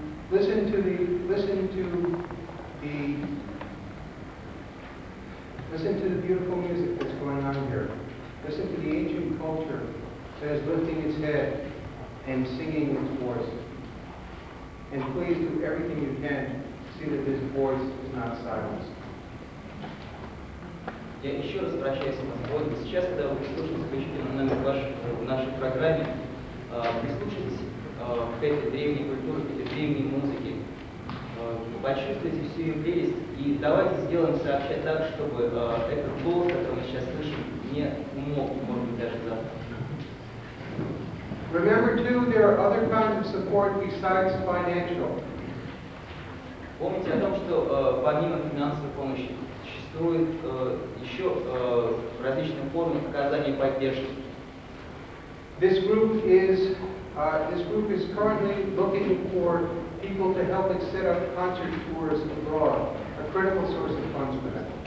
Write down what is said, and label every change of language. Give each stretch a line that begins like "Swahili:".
English: Listen to the beautiful music that's going on here. Listen to the ancient culture that is lifting its head and singing its voice. And please do everything you can to see that this voice is not silenced.
Russian: Я еще раз прощаюсь с вами. Вот сейчас, когда вы прислушаетесь заключительный номер в нашей программе, прислушайтесь к этой древней культуре, к этой древней музыке, почувствуйте всю ее прелесть, и давайте сделаем сообща так, чтобы этот голос, который мы сейчас слышим, не умолк, может быть, даже завтра.
English: Remember too, there are other kinds of support besides financial.
Russian: Помните о том, что помимо финансовой помощи существует еще различные формы оказания поддержки.
English: This group is currently looking for people to help it set up concert tours abroad, a critical source of funds for them.